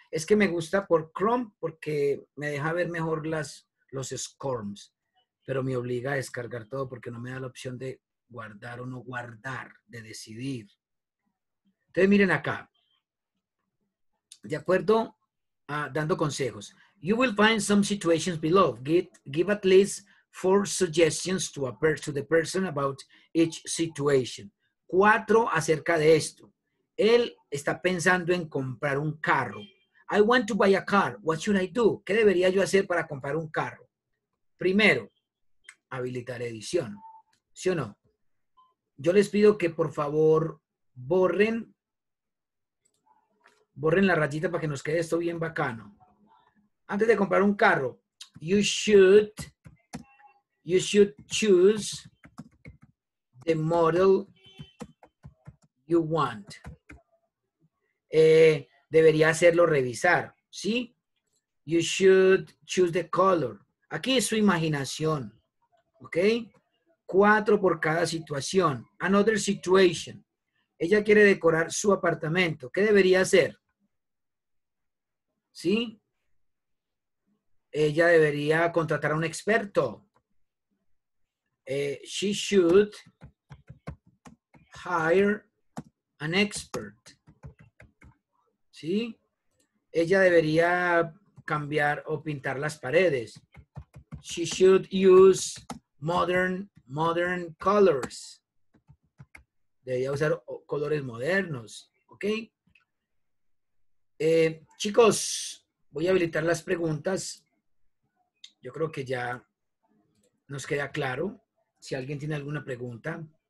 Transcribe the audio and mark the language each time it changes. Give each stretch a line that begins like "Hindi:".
Spanish: Es que me gusta por Chrome porque me deja ver mejor los scorms, pero me obliga a descargar todo porque no me da la opción de guardar o no guardar, de decidir. Entonces, miren acá. De acuerdo, dando consejos.
English: You will find some situations below. Give at least 4 suggestions to appear to the person about each situation.
Spanish: 4 acerca de esto. Él está pensando en comprar un carro.
English: I want to buy a car. What should I do?
Spanish: ¿Qué debería yo hacer para comprar un carro? Primero, habilitar edición. ¿Sí o no? Yo les pido que por favor borren la rayita para que nos quede esto bien bacano. Antes de comprar un carro,
English: you should choose the model you want.
Spanish: Debería hacerlo revisar, ¿sí?
English: You should choose the color.
Spanish: Aquí es su imaginación, ¿ok? 4 por cada situación.
English: Another situation.
Spanish: Ella quiere decorar su apartamento. ¿Qué debería hacer? ¿Sí? Ella debería contratar a un experto.
English: She should hire an expert.
Spanish: ¿Sí? Ella debería cambiar o pintar las paredes.
English: She should use modern colors.
Spanish: Debería usar colores modernos. ¿Ok? Chicos, voy a habilitar las preguntas. Yo creo que ya nos queda claro. Si alguien tiene alguna pregunta.